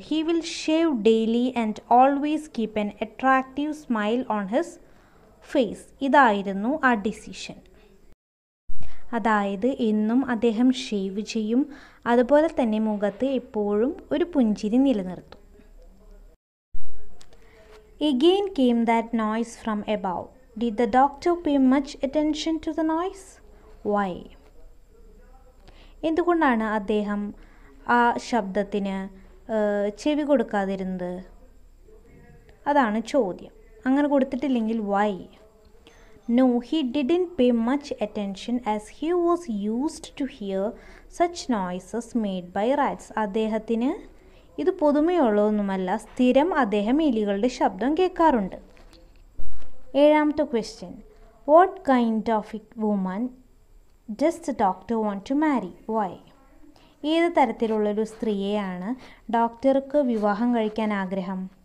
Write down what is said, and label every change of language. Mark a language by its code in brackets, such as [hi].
[en] He will shave daily and always keep an attractive smile on his face. [ml] ഇതായിരുന്നു ആ decision. അതായത് എന്നും അദ്ദേഹം ഷേവ് ചെയ്യും, അതുപോലെ തന്നെ മുഖത്ത് എപ്പോഴും ഒരു പുഞ്ചിരി നിലനിർത്തും. [en] Again came that noise from above. Did the doctor pay much attention to the noise? Why? [ml] എന്തുകൊണ്ടാണ് അദ്ദേഹം ആ ശബ്ദത്തിന് ചെവി കൊടുക്കാതിരുന്നത്? അതാണ് ചോദ്യം. അങ്ങനെ കൊടുത്തിട്ടില്ലെങ്കിൽ [en] why? No, he didn't pay much attention as he was used to hear such noises made by rats. [ml] അദ്ദേഹത്തിന് ഇത് പൊതുമയുള്ളതൊന്നുമല്ല. സ്ഥിരം അദ്ദേഹം എലികളുടെ ശബ്ദം കേൾക്കാറുണ്ട്. [en] ഏഴാമത്തെ question, what kind of a woman does the doctor want to marry? Why? [ml] ഏത് തരത്തിലുള്ളൊരു സ്ത്രീയെയാണ് ഡോക്ടർക്ക് വിവാഹം കഴിക്കാൻ ആഗ്രഹം?